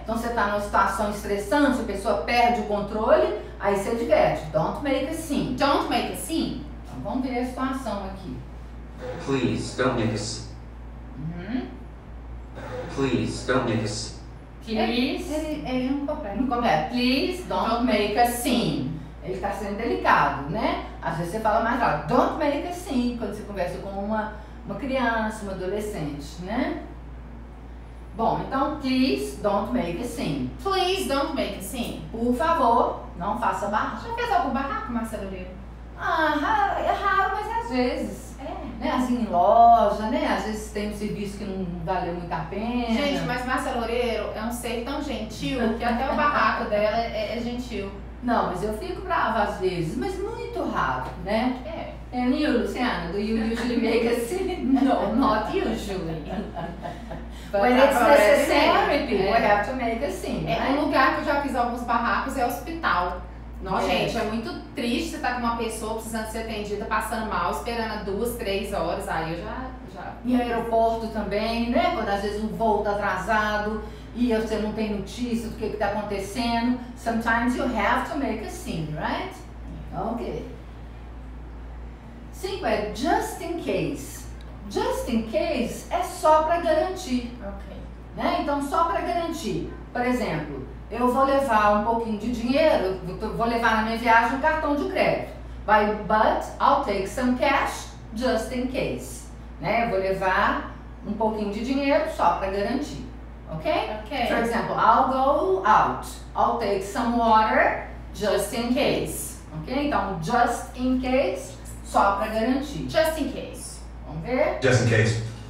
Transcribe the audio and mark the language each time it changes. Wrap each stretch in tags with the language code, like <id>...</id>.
<pt>Então você está numa situação estressante, a pessoa perde o controle, aí você diverte.</pt> <en>Don't make a scene. Don't make a scene.</en> <pt>Então vamos ver a situação aqui.</pt> <en>Please don't make a Please don't make a Please.</en> <pt>Ele não compreende. Não compreende.</pt> <en>Please don't make a scene.</en> <pt>Ele está sendo delicado, né? Às vezes você fala mais rápido.</pt> <en>Don't make a scene.</en> <pt>Quando você conversa com uma criança, uma adolescente, né? Bom, então,</pt> <en>please don't make a scene. Please don't make a scene.</en> <pt>Por favor, não faça barraco. Já fez algum barraco, Marcelo Leo? Ah, é raro, mas é às vezes. É. Né? Assim, em loja, né? Às vezes tem um serviço que não valeu muito a pena. Gente, mas Márcia Loureiro é um ser tão gentil que até o barraco dela é gentil. Não, mas eu fico brava às vezes, mas muito raro, né? É.</pt> <en>And you, Luciana, do you usually make a scene? No, not usually. When it's necessary, people have to make a scene.</en> <pt>É, um lugar que eu já fiz alguns barracos é o hospital. Nossa, gente, é muito triste você estar com uma pessoa precisando ser atendida, passando mal, esperando 2, 3 horas, aí eu já... E no aeroporto também, né? Quando às vezes um voo tá atrasado e você não tem notícia do que tá acontecendo.</pt> <en>Sometimes you have to make a scene, right?</en> <pt>Ok. 5 é just in case. Just in case é só para garantir. Ok. Né? Então, só para garantir. Por exemplo, eu vou levar um pouquinho de dinheiro, vou levar na minha viagem um cartão de crédito.</pt> <en>But I'll take some cash just in case.</en> <pt>Né? Eu vou levar um pouquinho de dinheiro só para garantir.</pt> <en>Okay? Okay? For example, I'll go out. I'll take some water just in case. Okay?</en> <pt>Então, just in case, só para garantir.</pt> <en>Just in case.</en> <pt>Vamos ver?</pt> <en>Just in case.</en>